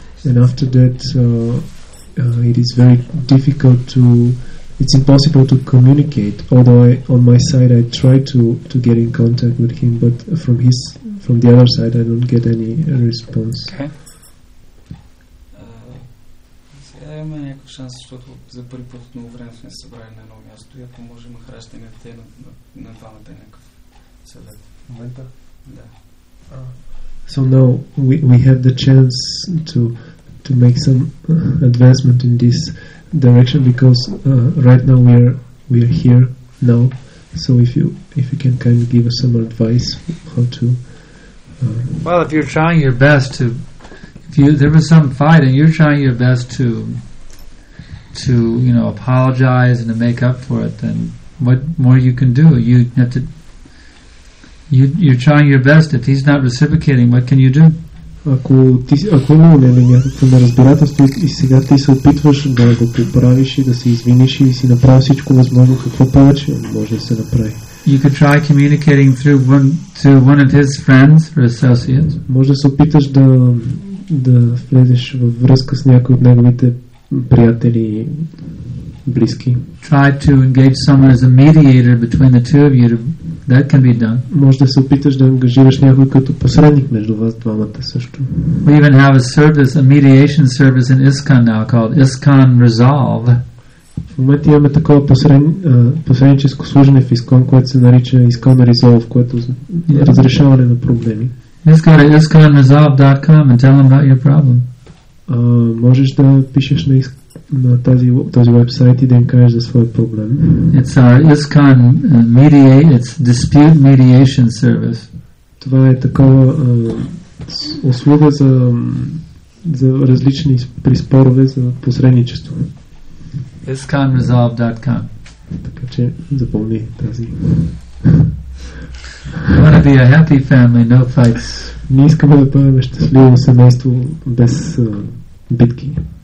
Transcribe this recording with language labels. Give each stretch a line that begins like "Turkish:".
English: And after that, it is very difficult to, it's impossible to communicate. Although on my side, I try to get in contact with him, but from the other side, I don't get any response. Okay.
Bulgarian: Сега имаме някакъв шанс, защото за първи път от много време сме се събрали на едно място и ако може Махарадж да ни даде на двамата някакъв съвет. Момента? Да.
English: So now we have the chance to make some advancement in this direction because right now we are here now. So if you can kind of give us some advice how to. Well, if you're trying your best to, there was some fight and you're trying your best to you know apologize and to make up for it, then what more you can do? You have to. You're trying your best. If he's not reciprocating, what can you do?
Bulgarian: Ако има някакво неразбирателство и сега ти се опитваш да го поправиш и да се извиниш и си направи всичко възможно, какво повече може да се направи?
English: You could try communicating through one of his friends or associates.
Bulgarian: Може да се опиташ да влезеш във връзка с някой от неговите приятели, близки.
English: Try to engage someone as a mediator between the two of you. That can be done.
Bulgarian: Може да се опиташ да ангажираш някой като посредник между вас двамата също.
English: We even have a service, a mediation service in ISKCON now called ISKCON Resolve.
Bulgarian: В момента имаме такова посредническо служение в ISKCON, което се нарича ISKCON Resolve, което е разрешаване на проблеми.
English: Just go to iskconresolve.com and tell them about your problem.
Bulgarian: Можеш да пишеш на ISKCON на този вебсайт и да им кажеш за своя проблем.
English: It's our ISKCON it's dispute mediation service.
Bulgarian: Това е такова услуга за различни приспорове за посредничество.
English: ISKCONresolve.com.
Bulgarian: Така че запомни тази.
English: Want to be a happy family, no fights.
Bulgarian: Ние искаме да бъдем щастливо семейство без битки.